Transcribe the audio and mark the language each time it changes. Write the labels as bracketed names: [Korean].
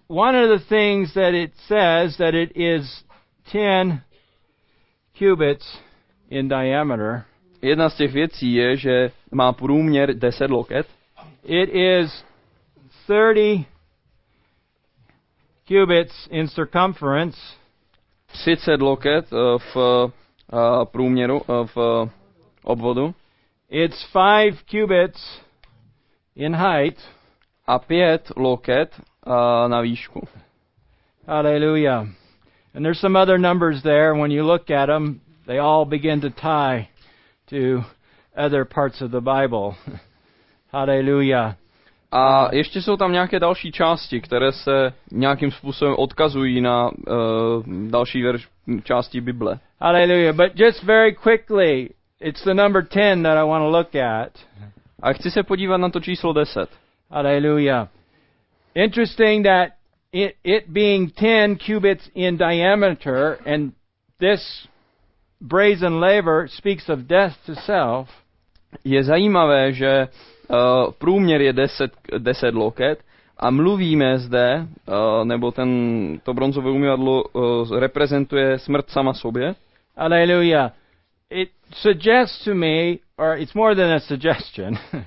[English] One of the things that it says that it is 10 cubits in diameter. [Czech] Jedna z těch věcí je, že má průměr 10 loket. [English] It is 30 cubits in circumference. [Czech] 30 loket v průměru, v obvodu. [English] It's 5 cubits in height. [Czech] A 5 loket na výšku. [English] Hallelujah. And there's some other numbers there. When you look at them, they all begin to tie to other parts of the Bible. Hallelujah. [Czech] A ještě jsou tam nějaké další části, které se nějakým způsobem odkazují na další části Bible. [English] Hallelujah. But just very quickly, it's the number 10 that I want to look at. [Czech] A chci se podívat na to číslo 10. [English] Hallelujah. Interesting that it being 10 cubits in diameter and this brazen laver speaks of death to self. [Czech] Je zajímavé, že průměr je 10 loket a mluvíme zde, nebo to bronzové umyvadlo reprezentuje smrt sama sobě. Alleluja. [English] It suggests to me, or it's more than a suggestion.